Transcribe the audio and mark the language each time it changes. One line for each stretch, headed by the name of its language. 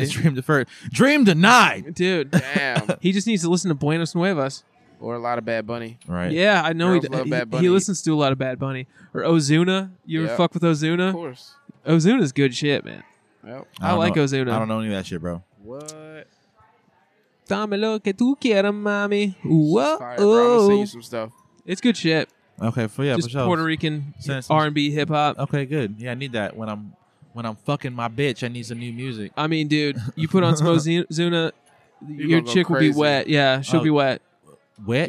English: It's dream deferred. Dream denied. Dude. Damn. He just needs to listen to Buenos Nuevas. Or a lot of Bad Bunny. Right. Yeah, I know. Girls love Bad Bunny. He listens to a lot of Bad Bunny. Or Ozuna. You ever fuck with Ozuna? Of course. Ozuna's good shit, man. Yep. I like know. Ozuna. I don't know any of that shit, bro. What?
Spanish: Dame lo que tu quieras, mommy.
English: Whoa. Fire, bro. I'm going to send you some stuff. It's good shit. Okay, just for sure. Puerto Rican R&B hip hop. Okay, good. Yeah, I need that when I'm fucking my bitch. I need some new music. I mean, dude, you put on some Ozuna, your chick crazy. Will be wet. Yeah, she'll be wet. Wet.